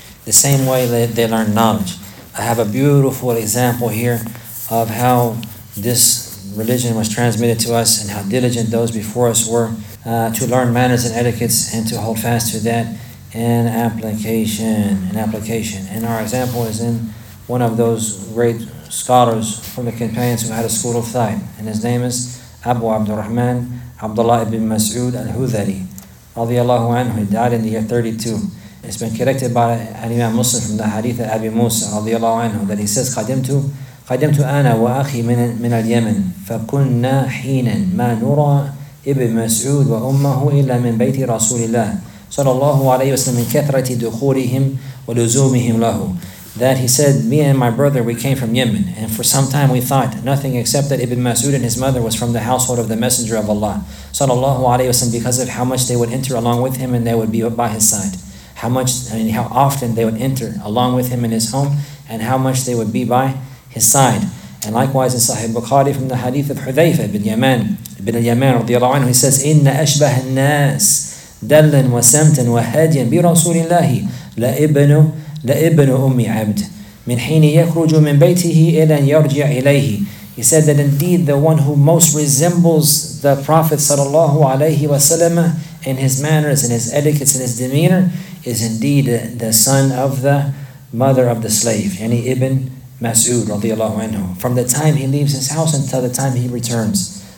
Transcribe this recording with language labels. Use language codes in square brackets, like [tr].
[en] The same way that they learn knowledge. I have a beautiful example here of how this religion was transmitted to us and how diligent those before us were to learn manners and etiquettes and to hold fast to that in application. And our example is in one of those great scholars from the companions who had a school of thought, and his name is Abu Abdurrahman Abdullah ibn Mas'ud al-Hudhari radiyallahu anhu. He died in the year 32. It's been collected by Imam Muslim from the hadith of Abi Musa radiyallahu anhu that he says, [ar] قدمت أنا وأخي من اليمن فكنا حينا ما نرى ابن مسعود وأمه إلا من بيت رسول الله صلى الله عليه وسلم من كثرة دخولهم ولزومهم له. [en] That he said, me and my brother, we came from Yemen, and for some time we thought nothing except that Ibn Mas'ud and his mother was from the household of the Messenger of Allah sallallahu alayhi wa sallam, because of how much they would enter along with him and they would be by his side. How often they would enter along with him in his home and how much they would be by his side. And likewise in Sahih Bukhari from the hadith of Hudhayfa ibn al-Yaman radiallahu anhu, he says, [ar] إِنَّ أَشْبَهَ النَّاسِ دَلًا وَسَمْتًا وَهَدْيًا بِرَسُولِ اللَّهِ لَإِبْنُ أُمِّي عَبْدٍ مِنْ حِينِ يَخْرُجُ مِنْ بَيْتِهِ إِلَىٰ يَرْجِعْ إِلَيْهِ. [en] He said that indeed the one who most resembles the Prophet sallallahu alayhi wa sallam in his manners and his etiquettes and his demeanor is indeed the son of the mother of the slave, yani Ibn Mas'ud radiallahu anhu, from the time he leaves his house until the time he returns.